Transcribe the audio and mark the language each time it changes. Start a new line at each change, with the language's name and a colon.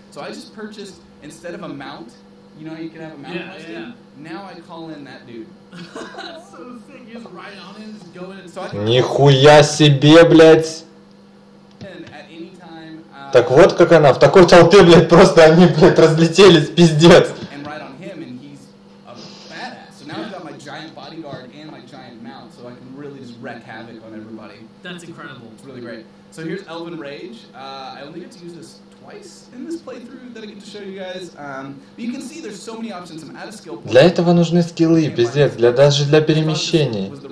English: So I just purchased, instead of a mount, you know how you can have a mount posted? Yeah, yeah. Now I call in that dude. That's so sick, you just ride on him, just go in and start.
Russian: Нихуя себе, блядь!
English: And at any time,
Russian: так вот как она, в такой толпе, блядь, просто они, блядь, разлетелись, пиздец!
English: And ride on him, and he's a badass. So now I've got my giant bodyguard and my giant mount, so I can really just wreak havoc on everybody. That's incredible. It's really great. So here's Elven Rage. I only get to use this twice in this playthrough that I get to show you guys. But you can see there's so many options. I'm out of skill points.
Russian: Для этого нужны скиллы, пиздец. Для даже для перемещений.